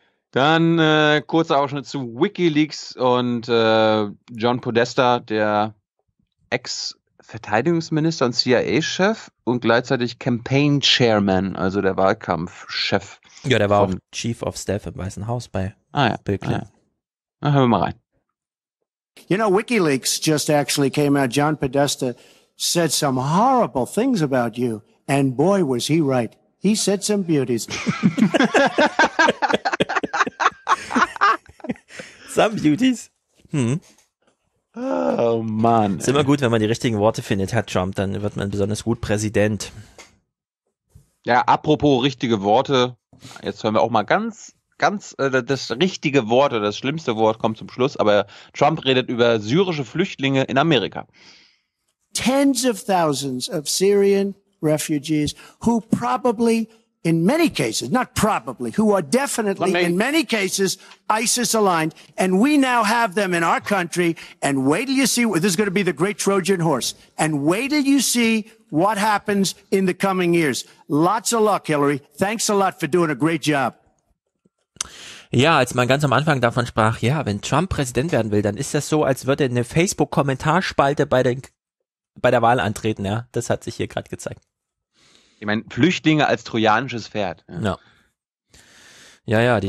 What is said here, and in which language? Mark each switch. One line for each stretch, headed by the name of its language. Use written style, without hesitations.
German: Dann kurzer Ausschnitt zu WikiLeaks und John Podesta, der Ex-Verteidigungsminister und CIA-Chef und gleichzeitig Campaign-Chairman, also der Wahlkampf-Chef. Ja, der war auch Chief of Staff im Weißen Haus bei Bill Clinton. Na, hören wir mal rein.
English: You know, WikiLeaks just actually came out. John Podesta said some horrible things about you. And boy, was he right. He said some beauties. Some beauties. Oh, man.
German: Ist immer gut, wenn man die richtigen Worte findet, Herr Trump. Dann wird man besonders gut Präsident. Ja, apropos richtige Worte. Jetzt hören wir auch mal ganz das richtige Wort oder das schlimmste Wort kommt zum Schluss, aber Trump redet über syrische Flüchtlinge in Amerika.
English: Tens of thousands of Syrian refugees who probably in many cases, not probably, who are definitely in many cases ISIS aligned, and we now have them in our country, and wait till you see, this is going to be the great Trojan horse, and wait till you see what happens in the coming years. Lots of luck, Hillary. Thanks a lot for doing a great job.
German: Ja, als man ganz am Anfang davon sprach, ja, wenn Trump Präsident werden will, dann ist das so, als würde eine Facebook-Kommentarspalte bei der Wahl antreten, ja. Das hat sich hier gerade gezeigt. Ich meine, Flüchtlinge als trojanisches Pferd. Ja. Ja, die